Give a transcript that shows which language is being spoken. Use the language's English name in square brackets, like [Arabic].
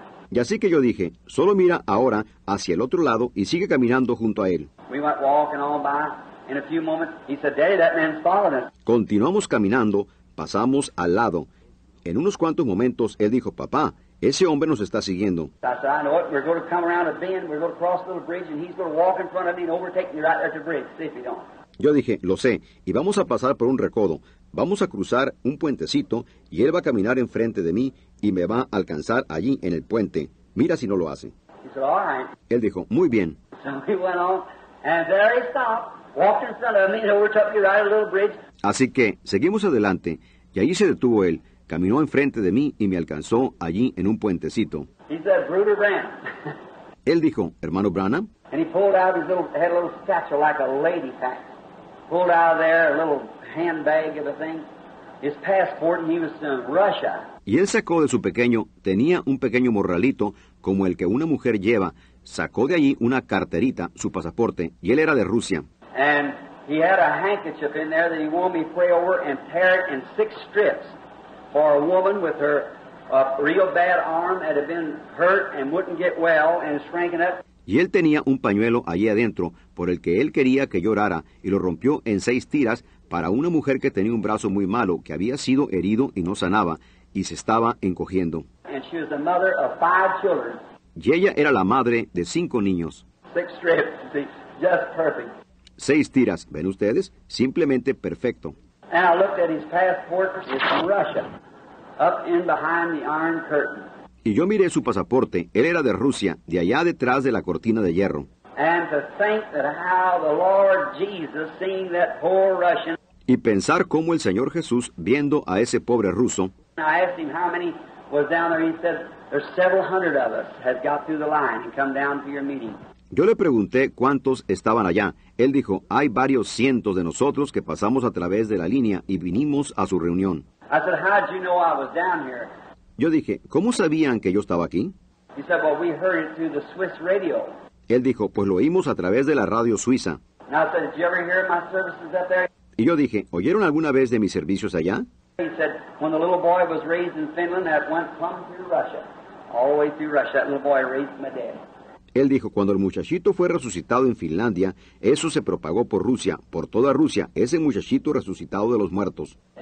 [Spanish] Y así que yo dije, solo mira ahora hacia el otro lado y sigue caminando junto a él. [English] We went walking on by. In a few moments, he said, Daddy, that man's following us. [Spanish] Continuamos caminando, pasamos al lado. En unos cuantos momentos, él dijo, papá, ese hombre nos está siguiendo. [English] I said, I know it. We're going to come around a bend. We're going to cross a little bridge, and he's going to walk in front of me and overtake me right at the bridge. See if he don't. [Spanish] Yo dije, lo sé, y vamos a pasar por un recodo. Vamos a cruzar un puentecito, y él va a caminar enfrente de mí, y me va a alcanzar allí en el puente. Mira si no lo hace. [English] He said, all right. [Spanish] Él dijo, muy bien. [English] So he went on, and there he stopped. Walked in front of me and overtook me right a little bridge. [Spanish] Así que seguimos adelante y allí se detuvo él, caminó enfrente de mí y me alcanzó allí en un puentecito. [English] He said, Brother Branham. [Spanish] Él dijo, hermano Branham. [English] And he pulled out his little, had a little satchel like a lady pack. Pulled out of there a little handbag of a thing. His passport, and he was in Russia. [Spanish] Y él sacó de su pequeño, tenía un pequeño morralito como el que una mujer lleva. Sacó de allí una carterita, su pasaporte, y él era de Rusia. [English] And he had a handkerchief in there that he wanted me to pray over and tear it in six strips for a woman with her real bad arm that had been hurt and wouldn't get well and shrinking up. [Spanish] Y él tenía un pañuelo allí adentro por el que él quería que llorara y lo rompió en seis tiras para una mujer que tenía un brazo muy malo que había sido herido y no sanaba y se estaba encogiendo. [English] And she was the mother of five children. [Spanish] Y ella era la madre de cinco niños. [English] Six strips, see, just perfect. [Spanish] Seis tiras, ¿ven ustedes? Simplemente perfecto. [English] And I looked at his passport, it's from Russia, up in behind the iron curtain. [Spanish] Y yo miré su pasaporte, él era de Rusia, de allá detrás de la cortina de hierro. [English] And to think that how the Lord Jesus, seeing that poor Russian. [Spanish] Y pensar cómo el Señor Jesús, viendo a ese pobre ruso. [English] I asked him how many was down there, he said, there's several hundred of us has got through the line and come down to your meeting. [Spanish] Yo le pregunté cuántos estaban allá. Él dijo, hay varios cientos de nosotros que pasamos a través de la línea y vinimos a su reunión. [English] I said, how did you know I was down here? [Spanish] Yo dije, ¿cómo sabían que yo estaba aquí? [English] He said, well, we heard it through the Swiss radio. [Spanish] Él dijo, pues lo oímos a través de la radio suiza. [English] I said, did you ever hear my services up there? [Spanish] Y yo dije, ¿oyeron alguna vez de mis servicios allá? [English] He said, when the little boy was raised in Finland, that went plumb through Russia. All the way through Russia, that little boy raised my dad. [Spanish] Él dijo, cuando el muchachito fue resucitado en Finlandia, eso se propagó por Rusia, por toda Rusia, ese muchachito resucitado de los muertos.